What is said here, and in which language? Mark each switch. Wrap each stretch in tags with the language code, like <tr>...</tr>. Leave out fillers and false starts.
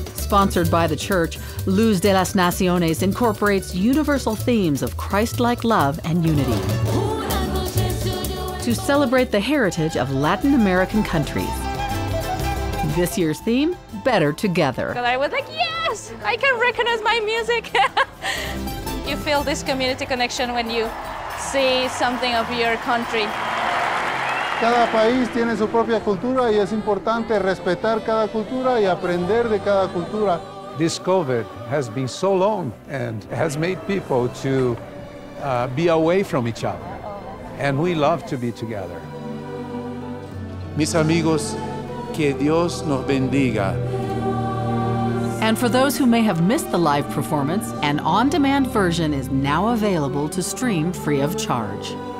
<en>Sponsored by the church, Luz de las Naciones incorporates universal themes of Christ-like love and unity to celebrate the heritage of Latin American countries. This year's theme, Better Together. And I was like, yes, I can recognize my music. You feel this community connection when you see something of your country.</en> <es>Cada país tiene su propia cultura y es importante respetar cada cultura y aprender de cada cultura.</es> <en>This COVID has been so long and has made people to be away from each other. And we love to be together.</en> <es>Mis amigos, que Dios nos bendiga.</es> <en>And for those who may have missed the live performance, an on-demand version is now available to stream free of charge.</en>